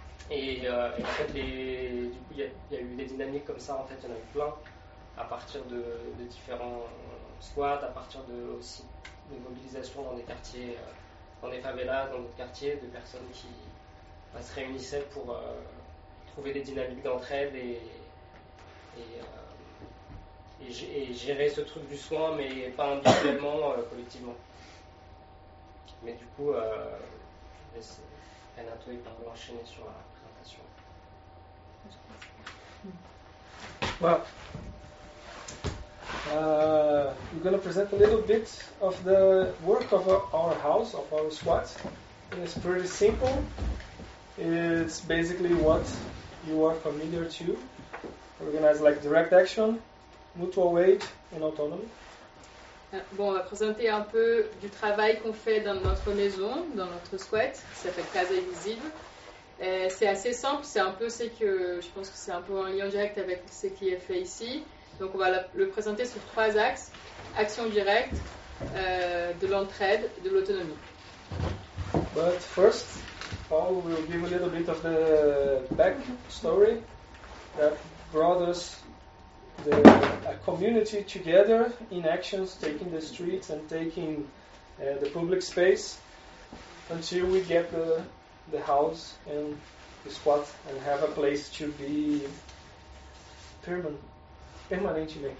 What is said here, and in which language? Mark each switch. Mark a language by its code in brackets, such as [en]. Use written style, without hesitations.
[fr] Et en fait il y a eu des dynamiques comme ça, en fait il y en a eu plein à partir de différents squats, à partir aussi de mobilisations dans des quartiers, dans des favelas, dans d'autres quartiers, de personnes qui se réunissaient pour trouver des dynamiques d'entraide et et gérer ce truc du soin, mais pas individuellement, collectivement. Mais du coup, je laisse Renato et Pablo enchaîner sur la présentation. [en] Well, we're going to present a little bit of the work of our house, of our squat. It's pretty simple. It's basically what you are familiar to. Organized like direct action, mutual weight, and autonomy. [fr] Bon, on va présenter un peu du travail qu'on fait dans notre maison, dans notre squat, qui s'appelle Casa Invisible. C'est assez simple, c'est un peu ce que je pense que c'est un peu en lien direct avec ce qui est fait ici. Donc on va le présenter sur trois axes, action directe, de l'entraide, de l'autonomie. [en] But first, Paul will give a little bit of the back story that brought us a community together in actions, taking the streets and taking the public space until we get the house and the squat and have a place to be permanent.